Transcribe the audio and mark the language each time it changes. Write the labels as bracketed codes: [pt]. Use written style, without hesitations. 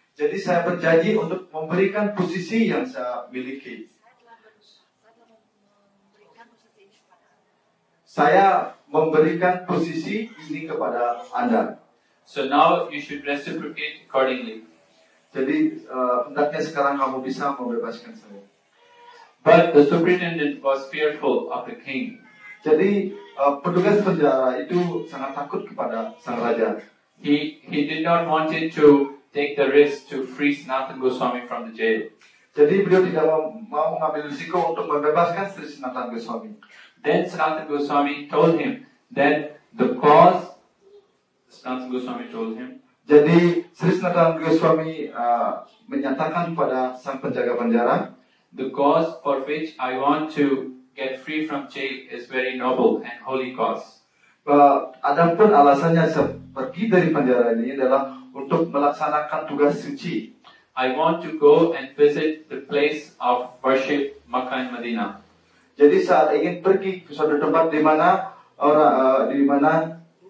[id] Jadi saya berjanji untuk memberikan posisi yang saya miliki. Saya memberikan posisi ini kepada Anda. [en] So now you should reciprocate accordingly. [id] Jadi hendaknya sekarang kamu bisa membebaskan saya. [en] But the superintendent was fearful of the king. [id] Jadi petugas penjara itu sangat takut kepada sang raja. [en] He did not want it to take the risk to free Sanatana Goswami from the jail. [id] Jadi beliau tidak mau mengambil risiko untuk membebaskan Sri Sanatana Goswami. [en] Then Sanatana Goswami told him that the cause. Sanatana Goswami told him. [id] Jadi Sri Sanatana Goswami menyatakan kepada sang penjaga penjara, [en] the cause for which I want to get free from jail is very noble and holy cause. [id] Adapun alasannya saya pergi dari penjara ini adalah untuk melaksanakan tugas suci. [en] I want to go and visit the place of worship, Makkah and Madinah. [id] Jadi saat ingin pergi ke suatu tempat di mana orang di mana